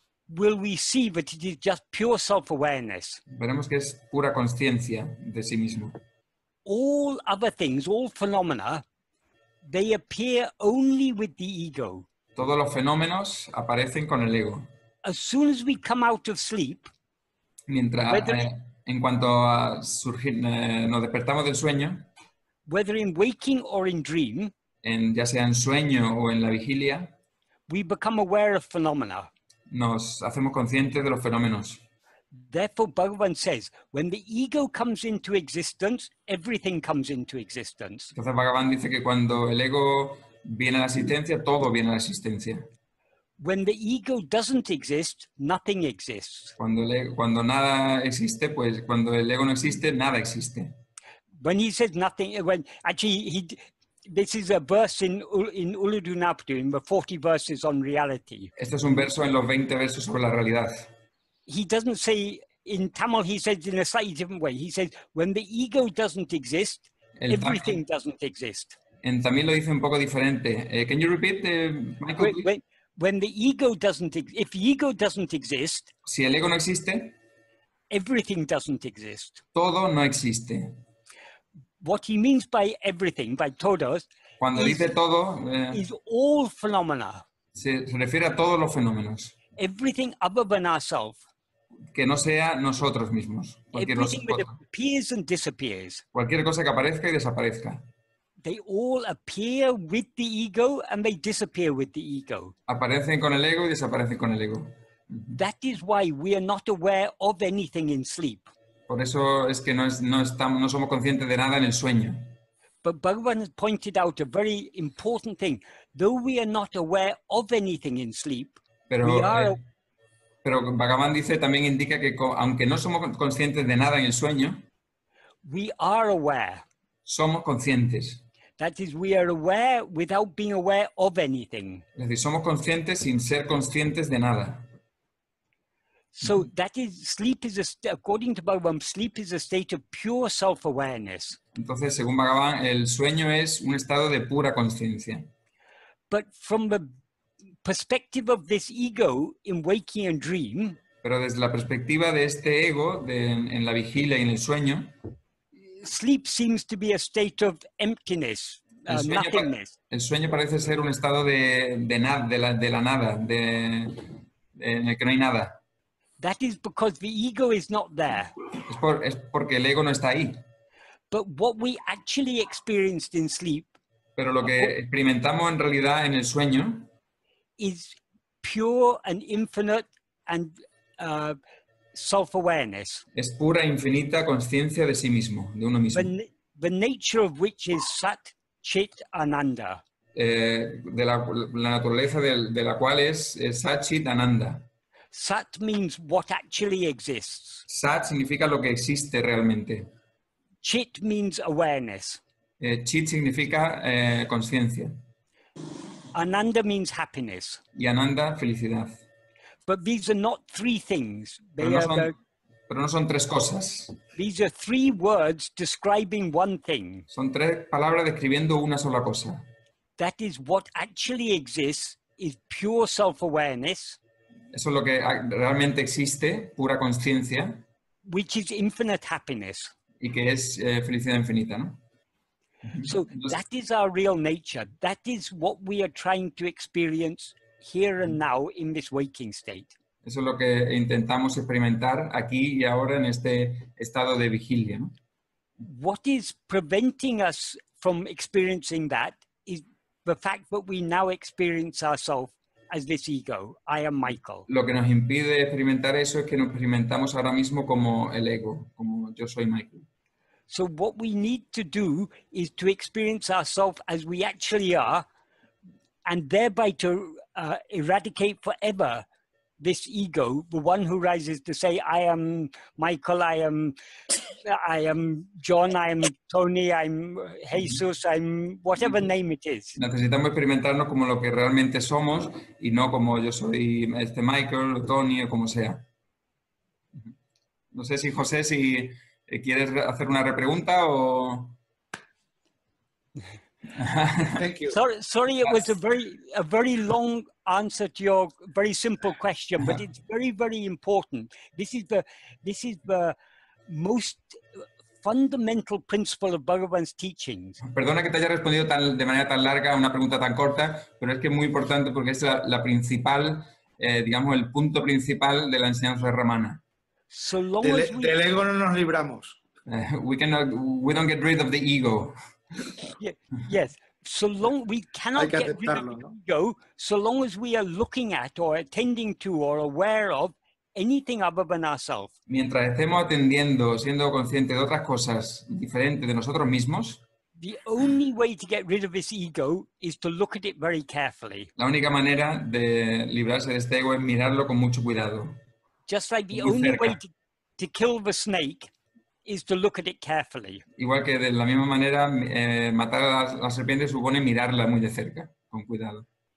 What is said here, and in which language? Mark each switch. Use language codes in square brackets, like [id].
[en] will we see that it is just pure self-awareness. [es] Veremos que es pura consciencia de sí mismo. [en] All other things, all phenomena, they appear only with the ego. [es] Todos los fenómenos aparecen con el ego. [en] As soon as we come out of sleep, [es] mientras en cuanto a surgir, nos despertamos del sueño, [en] whether in waking or in dream, [es] ya sea en sueño o en la vigilia, [en] we become aware of phenomena. [es] Nos hacemos conscientes de los fenómenos. [en] Therefore, Bhagavan says, when the ego comes into existence, everything comes into existence. [es] Entonces Bhagavan dice que cuando el ego viene a la existencia, todo viene a la existencia. [en] When the ego doesn't exist, nothing exists. [es] Cuando nada existe, pues cuando el ego no existe, nada existe. [en] When he says nothing, when actually he, this is a verse in Uludunaptu, in the 40 verses on reality. [es] Este es un verso en los 20 versos sobre la realidad. [en] He doesn't say in Tamil, he says in a slightly different way. He says, when the ego doesn't exist, everything doesn't exist. [es] En Tamil lo dice un poco diferente. [en] Can you repeat, Michael? When the ego doesn't exist, if the ego doesn't exist, [es] si el ego no existe, [en] everything doesn't exist. [es] Todo no existe. [en] What he means by everything, by todos, [es] cuando dice todo, [en] is all phenomena. [es] Se refiere a todos los fenómenos. [en] Everything other than ourselves. [es] Que no sea nosotros mismos. [en] Everything that appears and disappears. [es] Cualquier cosa que aparezca y desaparezca. [en] They all appear with the ego and they disappear with the ego. [es] Aparecen con el ego y desaparecen con el ego. [en] That is why we are not aware of anything in sleep. [es] Por eso es que no somos conscientes de nada en el sueño. [en] But Bhagavan has pointed out a very important thing. Though we are not aware of anything in sleep, [es] pero Bhagavan dice, también indica que aunque no somos conscientes de nada en el sueño, [en] we are aware. [es] Somos conscientes. [en] That is, we are aware without being aware of anything. [es] Es decir, somos conscientes sin ser conscientes de nada. [en] So that is, sleep is according to Bhagavan, sleep is a state of pure self-awareness. [es] Entonces, según Bhagavan, el sueño es un estado de pura conciencia. [en] But from the perspective of this ego in waking and dream. [es] Pero desde la perspectiva de este ego en la vigilia y en el sueño. [en] Sleep seems to be a state of emptiness, nothingness. [es] El sueño parece ser un estado de la nada, en el que no hay nada. [en] That is because the ego is not there. [es] Es porque el ego no está ahí. [en] But what we actually experienced in sleep. [es] Pero lo que experimentamos en realidad en el sueño [en] is pure and infinite and self-awareness. [es] Es pura infinita conciencia de sí mismo, de uno mismo. [en] The nature of which is Sat Chit Ananda. [es] De la naturaleza de la cual es Sat Chit Ananda. [en] Sat means what actually exists. [es] Sat significa lo que existe realmente. [en] Chit means awareness. [es] Chit significa conciencia. [en] Ananda means happiness. [es] Y ananda, felicidad. [en] But these are not three things. [es] Pero no son tres cosas. [en] These are three words describing one thing. [es] Son tres palabras describiendo una sola cosa. [en] That is what actually exists is pure self-awareness. [es] Eso es lo que realmente existe, pura conciencia. [en] Which is infinite happiness. [es] Y que es felicidad infinita, ¿no? [en] So that is our real nature. That is what we are trying to experience here and now in this waking state. [es] Eso es lo que intentamos experimentar aquí y ahora en este estado de vigilia, ¿no? [en] What is preventing us from experiencing that is the fact that we now experience ourselves as this ego. I am Michael. [es] Lo que nos impide experimentar eso es que nos experimentamos ahora mismo como el ego, como yo soy Michael. [en] So what we need to do is to experience ourselves as we actually are, and thereby to eradicate forever this ego, the one who rises to say, I am Michael, I am John, I am Tony, I'm Jesus, I'm whatever name it is. [es] Necesitamos experimentarnos como lo que realmente somos y no como yo soy este Michael, o Tony o como sea. No sé si José, si quieres hacer una repregunta o... [en] Thank you. Sorry, it was a very long answer to your very simple question, but it's very, very important. This is the most fundamental principle of Bhagavan's teachings. [es] Perdona que te haya respondido de manera tan larga a una pregunta tan corta, pero es que es muy importante porque es la principal, digamos, el punto principal de la enseñanza de Ramana. [en] So long as we... [es] Del ego no nos libramos. [en] We don't get rid of the ego. Yes, so long we cannot get rid of the ego, so long as we are looking at or attending to or aware of anything other than ourselves. [es] Mientras estemos atendiendo, siendo conscientes de otras cosas diferentes de nosotros mismos. [en] The only way to get rid of this ego is to look at it very carefully. [es] La única manera de librarse de este ego es mirarlo con mucho cuidado. [en] Just like the only way to kill the snake is to look at it carefully. [es] Igual que de la misma manera matar a la serpiente supone mirarla muy de cerca, con cuidado.